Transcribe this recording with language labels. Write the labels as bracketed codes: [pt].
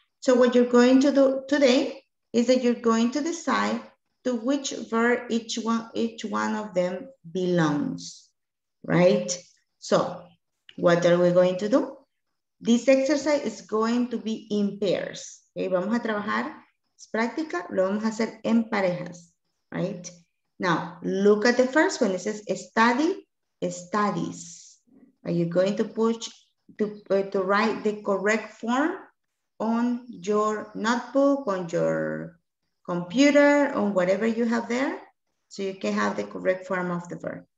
[en] So what you're going to do today is that you're going to decide to which verb each one of them belongs, right? So what are we going to do? This exercise is going to be in pairs. [es] Okay, vamos a trabajar, es práctica, lo vamos a hacer en parejas, right? [en] Now, look at the first one. It says study, studies. Are you going to write the correct form on your notebook, on your computer, on whatever you have there, so you can have the correct form of the verb.